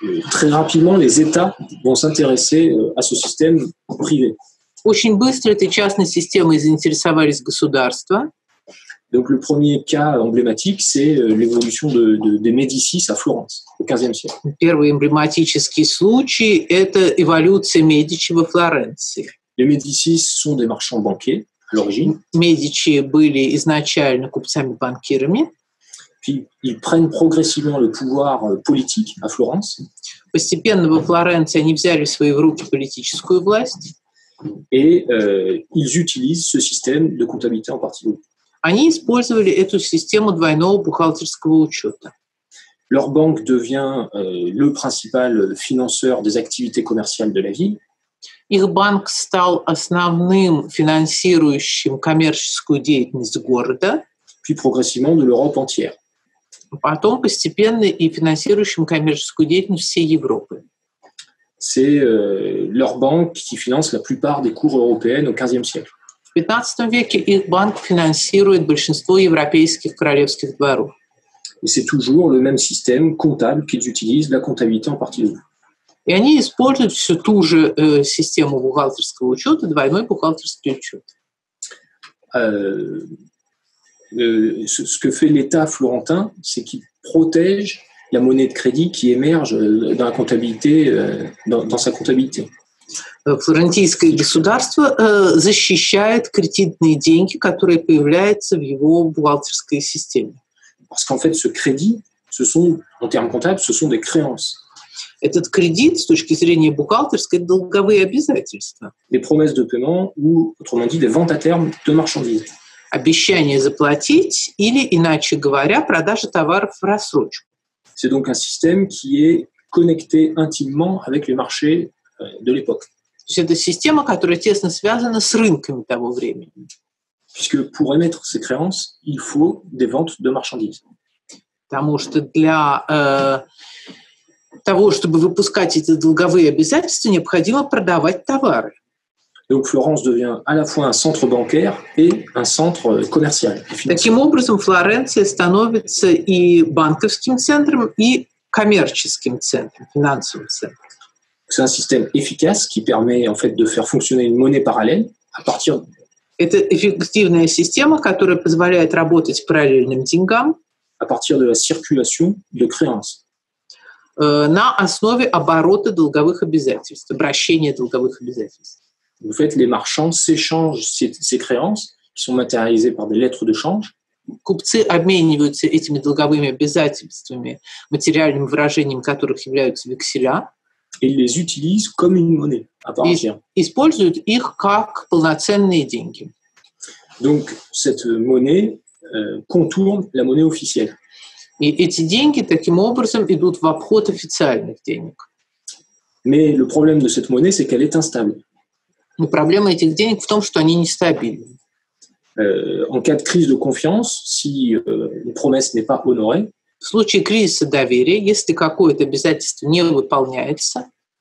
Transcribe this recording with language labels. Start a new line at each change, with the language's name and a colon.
French: Très rapidement, les États vont s'intéresser à ce système privé.
Russian: Очень быстро этой частной системой заинтересовались государства.
French: Donc le premier cas emblématique, c'est l'évolution des Médicis à Florence, au XVe siècle.
Russian: Первый эмблематический случай – это эволюция Медичи во Флоренции.
French: Les Médicis sont des marchands banquiers. L'origine.
Russian: Медичи были изначально купцами-банкирами.
French: Puis ils prennent progressivement le pouvoir politique à Florence.
Russian: Постепенно во Флоренции они взяли в свои руки политическую власть.
French: Et ils utilisent ce système de comptabilité en partie double.
Russian: Они использовали эту систему двойного бухгалтерского учета.
French: Leur banque devient le principal financeur des activités commerciales de la ville.
Russian: Их банк стал основным финансирующим коммерческую деятельность города.
French: Puis progressivement de l'Europe entière.
Russian: Потом постепенно и финансирующим коммерческую деятельность всей Европы.
French: c'est leur banque qui finance la plupart des cours européennes au XVe siècle.
Russian: В 15 веке их банк финансирует большинство европейских королевских дворов.
French: Et c'est toujours le même système comptable qu'ils utilisent, la comptabilité en particulier.
Russian: Et они используют всю ту же систему бухгалтерского учета, двойной бухгалтерский учет.
French: Ce que fait l'État florentin, c'est qu'il protège la monnaie de crédit qui émerge dans la comptabilité, dans sa comptabilité.
Russian: Флорентийское государство защищает кредитные деньги, которые появляются в его бухгалтерской системе.
French: Parce qu'en fait, ce crédit, ce sont, en termes comptables, ce sont des créances.
Russian: Этот кредит, с точки зрения бухгалтерской, это долговые обязательства.
French: Des promesses de paiement ou, autrement dit, des ventes à terme de marchandises.
Russian: Обещание заплатить или, иначе говоря, продажа товаров в рассрочку.
French: C'est donc un système qui est connecté intimement avec les marchés de l'époque.
Russian: То есть это система, которая тесно связана с рынками того времени.
French: Puisque pour émettre ces créances, il faut des ventes de marchandises.
Russian: Потому что для того, чтобы выпускать эти долговые обязательства, необходимо продавать товары.
French: Donc Florence devient à la fois un centre bancaire et un centre commercial.
Russian: Таким образом, Флоренция становится и банковским центром, и коммерческим центром, финансовым центром.
French: C'est un système efficace qui permet en fait de faire fonctionner une monnaie parallèle à partir de...
Russian: Это эффективная система, которая позволяет работать параллельным деньгам.
French: À partir de la circulation de créances.
Russian: На основе оборота долговых обязательств, обращения долговых обязательств.
French: En fait, les marchands s'échangent ces créances, qui sont matérialisées par des lettres de change.
Russian: Купцы обмениваются этими долговыми обязательствами, материальным выражением которых являются векселя.
French: Et les utilisent comme une monnaie, à part entière.
Russian: Используют их как полноценные деньги.
French: Donc, cette monnaie contourne la monnaie officielle.
Russian: И эти деньги таким образом идут в обход официальных денег.
French: Mais le problème de cette monnaie, c'est qu'elle est instable.
Russian: Но проблема этих денег в том, что они нестабильны.
French: En cas de crise de confiance, si une promesse n'est pas honorée,
Russian: в случае кризиса доверия, если какое-то обязательство не выполняется,